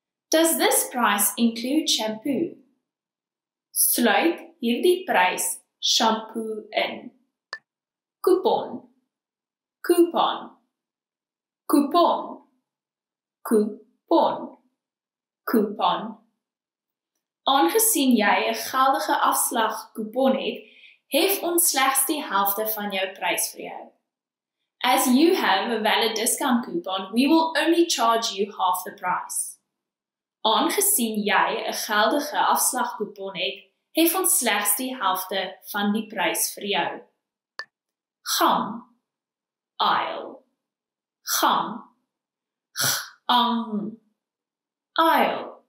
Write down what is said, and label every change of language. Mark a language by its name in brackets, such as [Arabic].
[English] Does this price include shampoo? [Afrikaans] Sluit hierdie prys shampoo in. [English] Coupon. Coupon. Coupon. Coupon. Coupon. [Afrikaans] Aangesien jy 'n geldige afslag coupon het, hef ons slegs die helfte van jou prys vir jou. [English] As you have a valid discount coupon, we will only charge you half the price. [Afrikaans] Aangesien jy 'n geldige afslag coupon het, hef ons slegs die helfte van die prys vir jou. Gang. Aisle. Gang. Gang. Aisle.